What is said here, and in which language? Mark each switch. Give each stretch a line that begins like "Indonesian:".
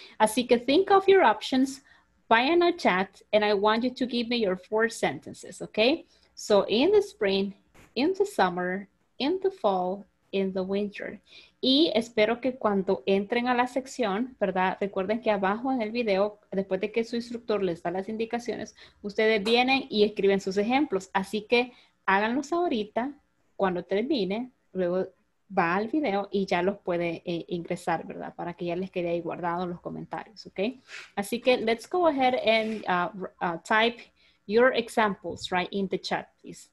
Spanish: Así que
English: think of your options, via a chat, and I want you to give me your four sentences, okay? So in the spring, in the summer, in the fall, in the winter.
Spanish: Y espero que cuando entren a la sección, ¿verdad? Recuerden que abajo en el video, después de que su instructor les da las indicaciones, ustedes vienen y escriben sus ejemplos. Así que háganlos ahorita, cuando termine, luego va al video y ya los puede ingresar, ¿verdad? Para que ya les quede ahí guardado los comentarios, ¿ok? Así que
English: let's go ahead and type your examples right in the chat, please.